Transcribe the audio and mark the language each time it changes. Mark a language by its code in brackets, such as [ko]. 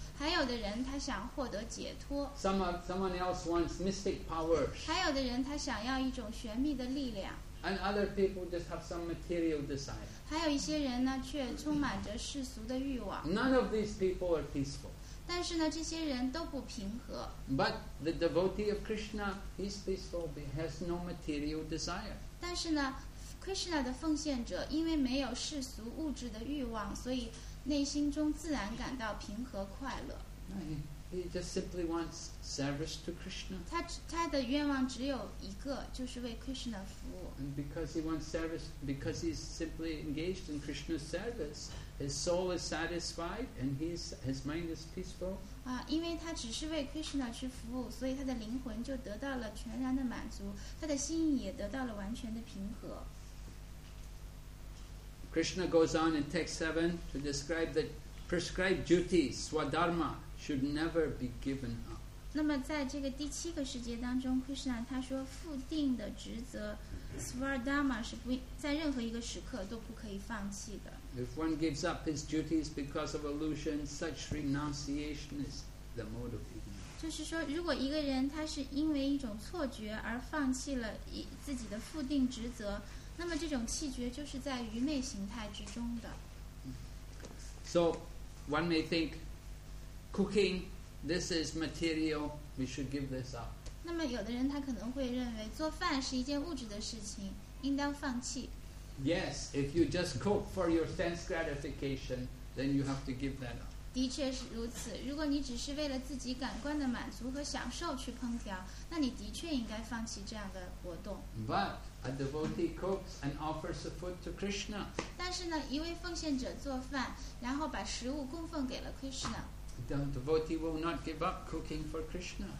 [zh] 还有的人他想获得解脱。 [en] Someone else wants mystic powers. [zh] 还有的人他想要一种玄秘的力量。 [en] And other people just have some material desire. [zh] 还有一些人呢却充满着世俗的欲望。 [en] None of these people are peaceful. [zh] 但是呢这些人都不平和。 [en] But the devotee of Krishna, he's peaceful, but he has no material desire. [zh] 但是呢Krishna 的奉献者因为没有世俗物质的欲望，所以内心中自然感到平和快乐。 [en] He just simply wants service to Krishna. [zh] 他的愿望只有一个，就是为 Krishna 服务。 [en] And because he wants service, because he's simply engaged in Krishna's service, his soul is satisfied and his mind is peaceful. [zh] 啊，因为他只是为 Krishna 去服务，所以他的灵魂就得到了全然的满足，他的心意也得到了完全的平和。 [en] Krishna goes on in text 7 to describe that prescribed duties, swadharma, should never be given up. [zh] 那么在这个第七个世界当中 ，Krishna 他说附定的职责 ，swadharma 是不在任何一个时刻都不可以放弃的。 [en] If one gives up his duties because of illusion, such renunciation is the mode of ignorance. [zh] 就是说，如果一个人他是因为一种错觉而放弃了自己的附定职责。那么这种气绝就是在愚昧形态之中的。 [en] So, one may think, cooking this is material, we should give this up. [zh] 那么有的人他可能会认为做饭是一件物质的事情，应当放弃。 [en] Yes, if you just cook for your sense gratification, then you have to give that up. [zh] 的确是如此，如果你只是为了自己感官的满足和享受去烹调，那你的确应该放弃这样的活动。 [en] But a devotee cooks and offers the food to Krishna. [zh] 但是呢，一位奉献者做饭，然后把食物供奉给了 Krishna。 [en] The devotee will not give up cooking for Krishna.